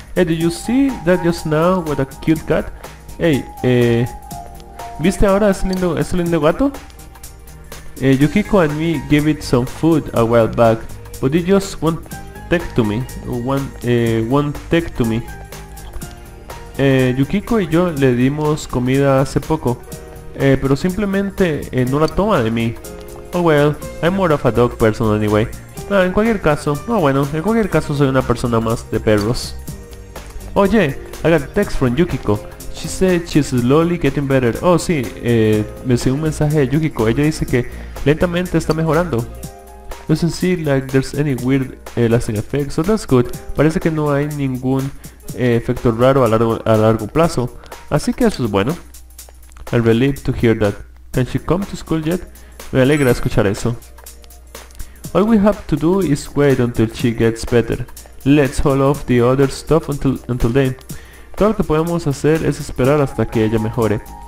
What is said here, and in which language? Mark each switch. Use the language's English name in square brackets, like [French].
[English] Hey, did you see that just now with a cute cat? [Spanish] Hey, ¿viste ahora ese lindo gato? [English] Yukiko and me gave it some food a while back, but it just won't take to me. [Spanish] Yukiko y yo le dimos comida hace poco, pero simplemente no la toma de mí. [English] Oh well, I'm more of a dog person anyway. [Spanish] Ah, en cualquier caso, soy una persona más de perros. Oye, [English] I got a text from Yukiko. She said she's slowly getting better. [Spanish] Oh, sí, me sigue un mensaje de Yukiko. Ella dice que lentamente está mejorando. [English] Doesn't seem like there's any weird lasting effects, so that's good. [Spanish] Parece que no hay ningún efecto raro a largo plazo. Así que eso es bueno. [English] I'm relieved to hear that. Can she come to school yet? [Spanish] Me alegra escuchar eso. [English] All we have to do is wait until she gets better. Let's hold off the other stuff until then. [Spanish] Todo lo que podemos hacer es esperar hasta que ella mejore.